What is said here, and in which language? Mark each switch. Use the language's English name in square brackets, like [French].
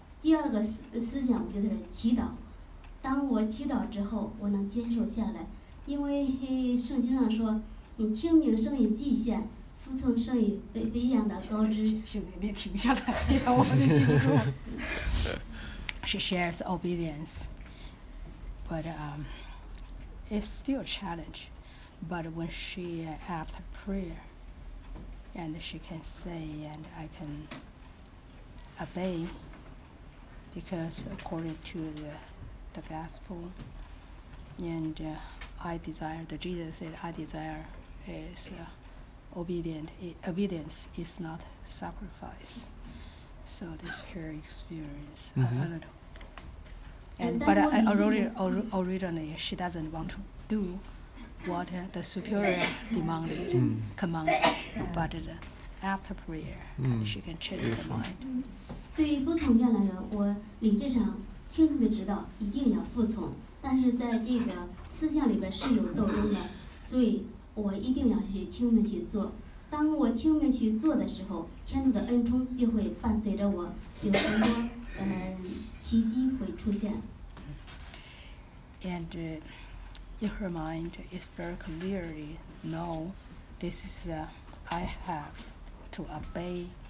[Chinese] 第二个思想就是祈祷，当我祈祷之后我能接受下来，因为圣经上说你听命胜于祭献，服从胜于卑贱的膏脂。兄弟你停下来，我都记不住。 [English] She shares obedience, but it's still a challenge. But when she after prayer and she can say and I can obey, because according to the gospel, and I desire, the Jesus said, I desire is obedient. Obedience is not sacrifice. So this her experience, mm-hmm. a little. But originally, she doesn't want to do what the superior demanded, mm. commanded. But after prayer, mm. she can change her mind. [Chinese] 对于服从愿来人，我理智上清楚的知道一定要服从，但是在这个思想里边是有斗争的，所以我一定要去听命去做。当我听命去做的时候，天主的恩宠就会伴随着我，有很多奇迹会出现。 [English] And in her mind is very clearly know this is I have to obey.